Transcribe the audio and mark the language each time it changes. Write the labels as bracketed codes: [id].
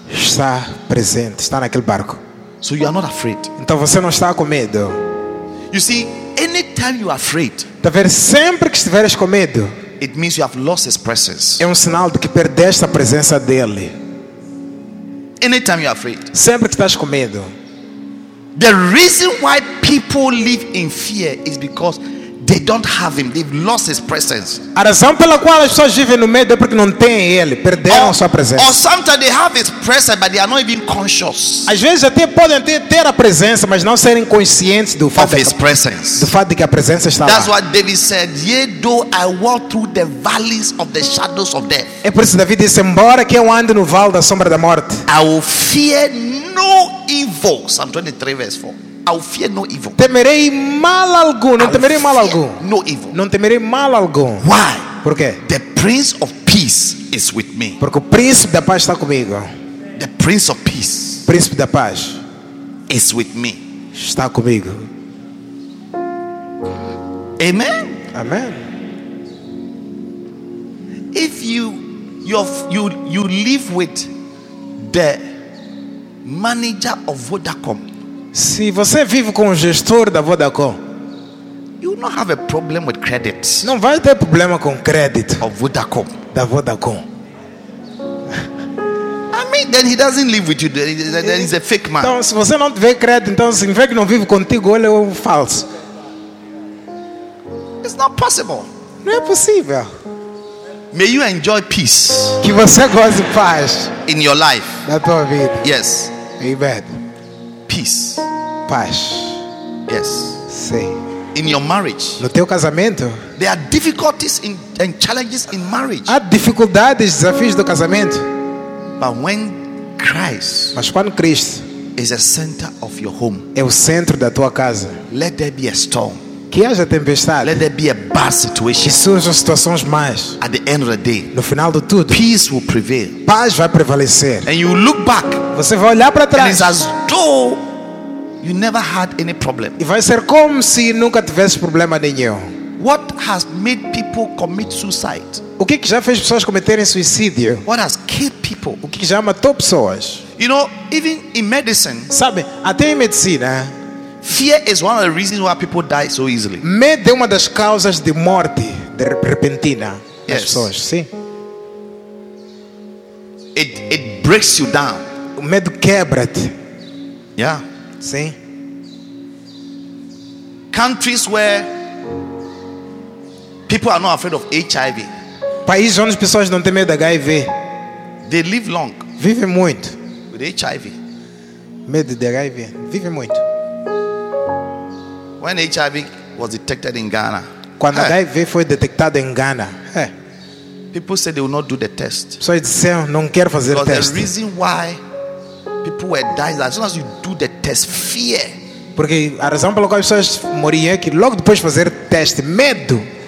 [pt] Está presente, está naquele barco. [en] So you are not afraid. [pt] Então você não está com medo. [en] You see, anytime you are afraid, [pt] tá vendo? Sempre que estiveres com medo, [en] it means you have lost his presence. [pt] É sinal de que perdeste a presença dele. [en] Anytime you are afraid. [pt] Sempre que estás com medo. [en] The reason why people live in fear is because they don't have him. They've lost his presence. [pt] A razão pela qual as pessoas vivem no medo é porque não têm ele, perderam sua presença. [en] Or sometimes they have his presence but they are not even conscious. [pt] Às vezes até podem ter a presença, mas não serem conscientes do fato [en] of his presence. [pt] Do fato de que a presença está lá. [en] That's what David said, "Yea, though I walk through the valleys of the shadows of death." [pt] É por isso David disse, embora que eu ande no vale da sombra da morte, [en] I will fear no evil. Psalm 23 verse 4. I will fear no evil. [pt] Temerei mal algum. Não temerei mal algum. [en] No evil. [pt] Não temerei mal algum. [en] Why? [pt] Por quê? [en] The Prince of Peace is with me. [pt] Porque o Príncipe da Paz está comigo. [en] The Prince of Peace. [pt] Príncipe da Paz. [en] Is with me. [pt] Está comigo. [en] Amen. [pt] Amen. [en] If you live with the manager of Vodacom. [pt] Se você vive com o gestor da Vodacom, [en] you will not have a problem with credit. [pt] Não vai ter problema com crédito. [en] Of Vodacom. [pt] Da Vodacom. [en] I mean, then he doesn't live with you. Then he's a fake man. [pt] Então, se você não tiver crédito, então se vê que não vive contigo, ele é falso. [en] It's not possible. [pt] Não é possível. [en] May you enjoy peace. [pt] Que você goze paz. [en] In your life. [pt] Na tua vida. [en] Yes. [pt] Amen. [en] Peace. [pt] Paz. [en] Yes. [pt] Sim. [en] In your marriage. [pt] No teu casamento. [en] There are difficulties in and challenges in marriage. [pt] Há dificuldades, desafios do casamento. [en] But when Christ. [pt] Mas quando Cristo. [en] Is the center of your home. [pt] É o centro da tua casa. [en] Let there be a storm. [pt] Que haja tempestade. [en] Let there be a bad situation. [pt] Que sejam situações más. [en] At the end of the day. [pt] No final de tudo. [en] Peace will prevail. [pt] Paz vai prevalecer. [en] And you look back. [pt] Você vai olhar para trás. [en] And it's as though you never had any problem. [pt] E vai ser como se nunca tivesse problema nenhum. [en] What has made people commit suicide? [pt] O que já fez pessoas cometerem suicídio? [en] What has killed people? [pt] O que já matou pessoas? [en] You know, even in medicine. [pt] Sabe, até em medicina. [en] Fear is one of the reasons why people die so easily. [pt] Medo é uma das causas de morte de repentina das pessoas. Sim. [en] It breaks you down. [pt] O medo quebra-te. [en] Yeah. [pt] Sim. [en] Countries where people are not afraid of HIV. [pt] Países onde as pessoas não têm medo da HIV. [en] They live long. [pt] Vivem muito. [en] With HIV. [pt] Medo da HIV. Vivem muito. [en] When HIV was detected in Ghana. [pt] Quando a HIV foi detectada em Ghana. [en] People said they will not do the test. [pt] Só disseram, não quero fazer [en] because [pt] o teste. [en] The reason why people were dying, as soon as you do the test, fear. [pt] Porque a razão pela qual as pessoas morriam é que logo depois de fazer teste, medo.